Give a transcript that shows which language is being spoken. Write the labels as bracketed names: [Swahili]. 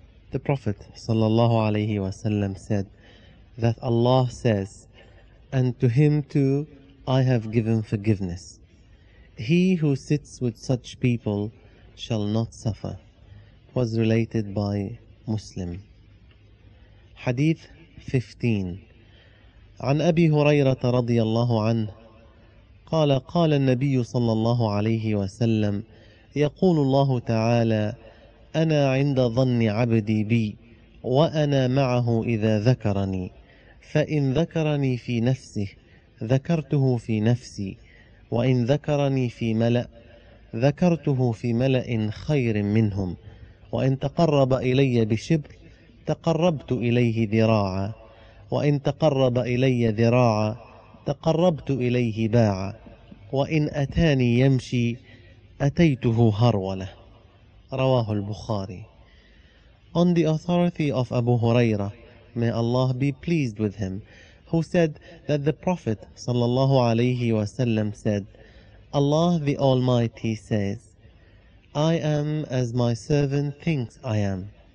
[English] The Prophet sallallahu alayhi wasallam said that Allah says, and to him too I have given forgiveness. He who sits with such people shall not suffer. It was related by Muslim. Hadith 15. [Arabic] عن أبي هريرة رضي الله عنه قال قال النبي صلى الله عليه وسلم يقول الله تعالى أنا عند ظن عبدي بي وأنا معه إذا ذكرني فإن ذكرني في نفسه ذكرته في نفسي وإن ذكرني في ملأ ذكرته في ملأ خير منهم وإن تقرب إلي بشبر تقربت إليه ذراعا وإن تقرب إلي ذراعا تقربت إليه باعا وإن أتاني يمشي أتيته هرولة. رواه البخاري. [English] On the authority of Abu Huraira, may Allah be pleased with him, who said that the Prophet sallallahu alayhi wasallam said, Allah the Almighty says, I am as my servant thinks I am.